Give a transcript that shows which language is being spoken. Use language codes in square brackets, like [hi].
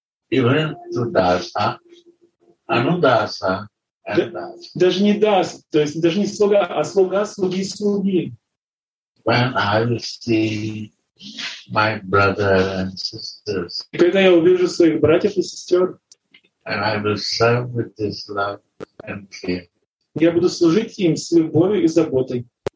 [en] Even to даса, анудаса, [ru] даса. Даже не дас, то есть даже не слуга, а слуга, слуги, слуги. [en] When I see my brother and sisters. [ru] И когда я увижу своих братьев и сестер. [en] And I will serve with this love and care. [ru] Я буду служить им с любовью и заботой.